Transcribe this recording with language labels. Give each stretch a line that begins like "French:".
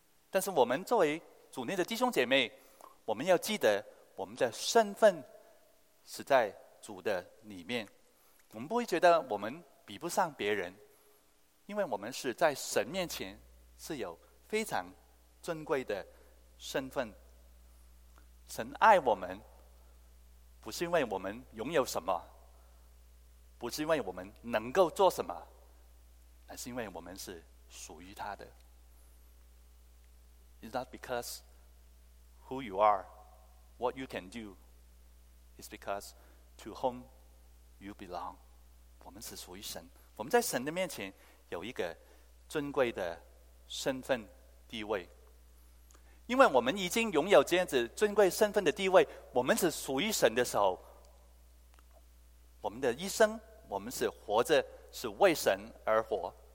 Chinese: 但是我们作为主内的弟兄姐妹，我们要记得我们的身份是在主的里面，我们不会觉得我们比不上别人，因为我们是在神面前是有非常尊贵的身份。神爱我们不是因为我们拥有什么，不是因为我们能够做什么，乃是因为我们是属于他的。
English: It's not because who you are, what you can do, it's because to whom you belong。
Chinese: 我们是属于神，我们在神的面前有一个尊贵的身份地位。因为我们已经拥有这样子尊贵身份的地位，我们是属于神的时候，我们的一生我们是活着是为神而活。